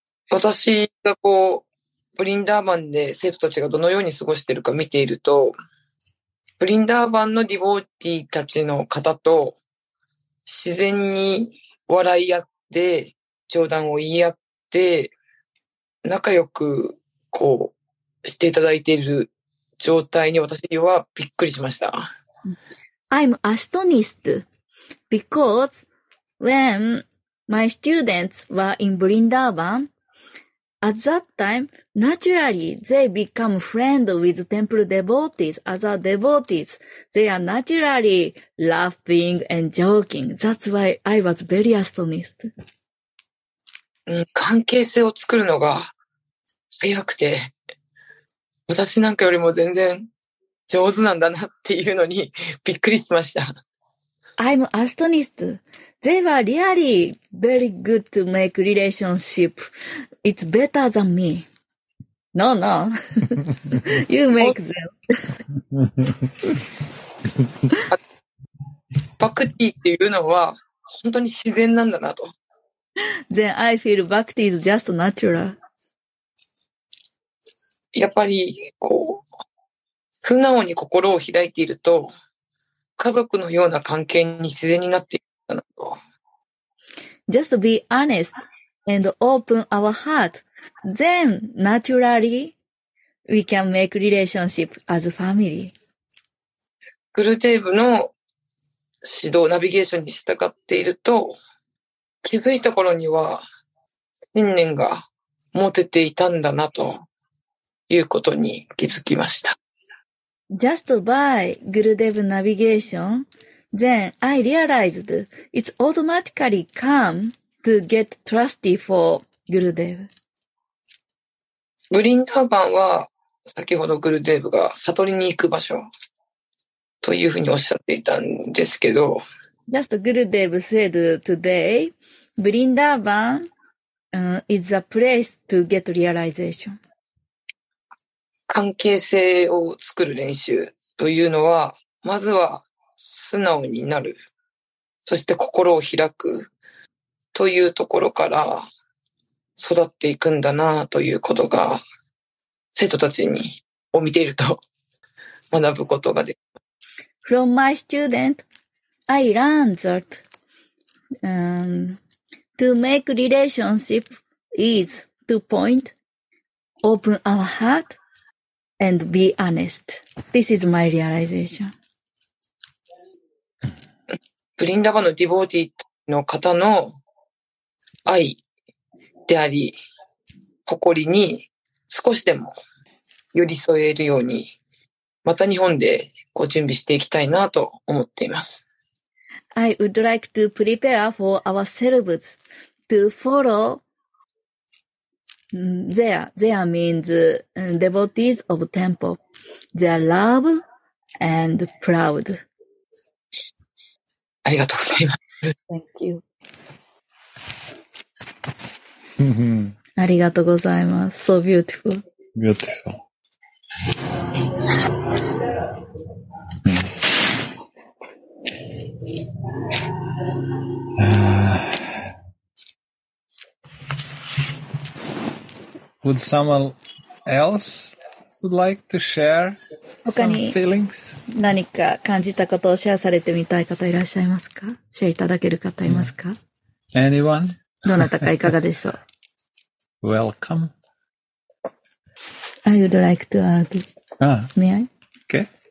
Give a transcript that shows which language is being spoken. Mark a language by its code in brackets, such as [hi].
[ja] 私がこう、ブリンダーバンで生徒たちがどのように過ごしているか見ていると、ブリンダーバンのディボーティーたちの方と自然に笑い合って、冗談を言い合って、仲良くこうしていただいている状態に私はびっくりしました。 [en] I'm astonished because when my students were in Vrindavan, At that time, naturally, they become friends with temple devotees. Other devotees, they are naturally laughing and joking. That's why I was very astonished. [ja] 関係性を作るのが早くて、私なんかよりも全然上手なんだなっていうのにびっくりしました。 [en] I'm astonished. They were really very good to make relationship. It's better than me. No, no. You make them. [ja] バクティっていうのは本当に自然なんだなと。 [en] Then I feel bhakti is just natural. [ja] やっぱりこう素直に心を開いていると家族のような関係に自然になっていくんだなと。 [en] Just be honest and open our heart. Then naturally we can make relationship as family. [ja] グルデーブの指導ナビゲーションに従っていると気づいた頃には信念が持てていたんだなということに気づきました。 [en] Just by Gurudev navigation, then I realized it's automatically come to get trusty for Gurudev. [ja] ブリンダーバンは先ほどグルデーブが悟りに行く場所というふうにおっしゃっていたんですけど、 [en] Just Gurudev said today. ブリンダーバン、is a place to get realization. [ja] 関係性を作る練習というのは、まずは素直になる、そして心を開くというところから育っていくんだなということが、生徒たちにを見ていると学ぶことができる。 [en] From my student, I learned that, To make relationship is to point, open our heart, and be honest. This is my realization. [ja] ブリンダバのディボーティーの方の愛であり、誇りに少しでも寄り添えるように、また日本でこう準備していきたいなと思っています。 [en] I would like to prepare for ourselves to follow their means, devotees of temple, their love and proud. [ja] ありがとうございます。 [en] Thank you. [ja] ありがとうございます。 [en] So beautiful. Beautiful. Would someone else would like to share some feelings? [ja] 他に何か感じたことをシェアされてみたい方いらっしゃいますか？シェアいただける方いますか？ [en] Anyone? [ja] どなたかいかがでしょう？ [en] Welcome. I would like to add. May I? Okay.